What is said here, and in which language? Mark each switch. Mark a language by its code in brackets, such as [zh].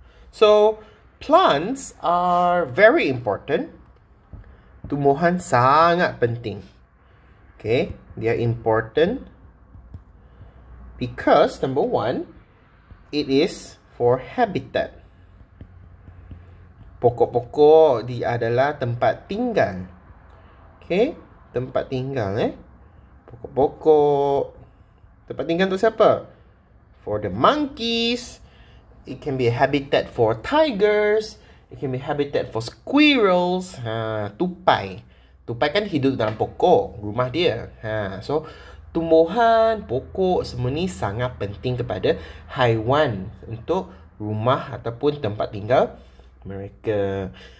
[en] So plants are very important. [ms] Tumbuhan sangat penting. [en] Okay, they are important because number one, it is for habitat. [ms] Pokok-pokok di adalah tempat tinggal. Okay? Tempat tinggal eh. Pokok-pokok. Tempat tinggal tu siapa? [en] For the monkeys. It can be a habitat for tigers. It can be habitat for squirrels. [ms] Ha, tupai. Tupai kan hidup dalam pokok. Rumah dia. Ha, so, tumbuhan, pokok, semua ni sangat penting kepada haiwan untuk rumah ataupun tempat tinggal mereka.